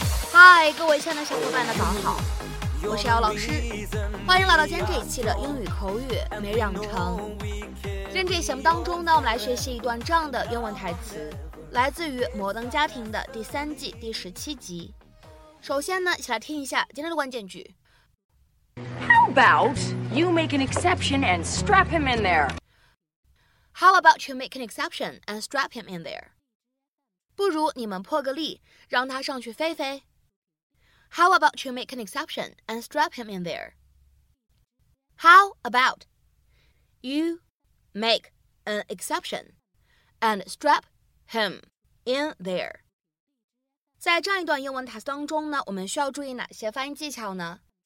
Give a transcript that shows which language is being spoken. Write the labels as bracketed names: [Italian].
[Chinese] 嗨，各位亲爱的小伙伴们，早好！我是姚老师，欢迎来到今天这一期的英语口语每日养成。今天这一节目当中呢，我们来学习一段这样的英文台词，来自于《摩登家庭》的第三季第十七集。首先呢，一起来听一下今天的关键句。 [English] How about you make an exception and strap him in there? How about you make an exception and strap him in there? [Chinese] 不如你们破个例，让他上去飞飞。 [English] How about you make an exception and strap him in there? How about you make an exception and strap him in there? [Chinese] 在这样一段英文台词当中呢，我们需要注意哪些发音技巧呢？